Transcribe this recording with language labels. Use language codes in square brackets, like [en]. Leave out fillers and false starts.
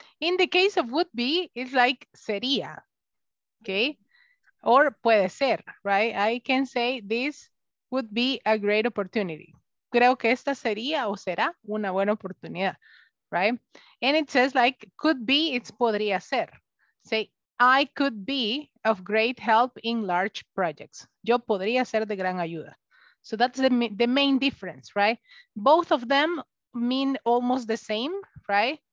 [en] In the case of would be, it's like sería. Okay. Or [es] puede ser, [en] right? I can say this would be a great opportunity. [es] Creo que esta sería o será una buena oportunidad. [en] Right? And it says like, could be, it's [es] podría ser. [en] Say, I could be of great help in large projects. [es] Yo podría ser de gran ayuda. [en] So that's the main difference, right? Both of them mean almost the same, right?